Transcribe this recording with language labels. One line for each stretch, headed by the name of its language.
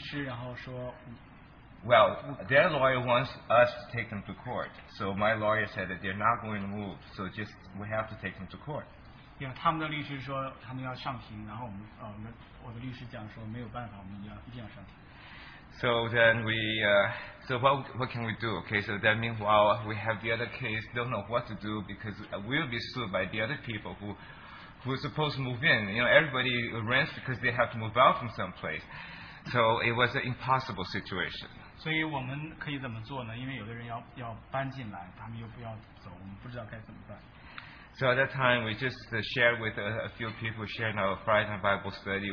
Chinese: 之后呢，就是简单讲，后来就是他又找两双方律师，然后说，Well,
English: their lawyer wants us to take them to court. So my lawyer said that they're not going to move. So just we have to take them to court.
Chinese: Yeah, 他们的律师说他们要上庭，然后我们我的律师讲说没有办法，我们一定要上庭。
English: So then we, so what can we do? Okay, so then meanwhile we have the other case, don't know what to do because we'll be sued by the other people who are supposed to move in. You know, everybody rents because they have to move out from someplace. So it was an impossible situation.
Chinese: 所以我们可以怎么做呢？因为有的人要搬进来，他们又不要走，我们不知道该怎么办。
English: So at that time, we just shared with a few people, shared our Friday night Bible study.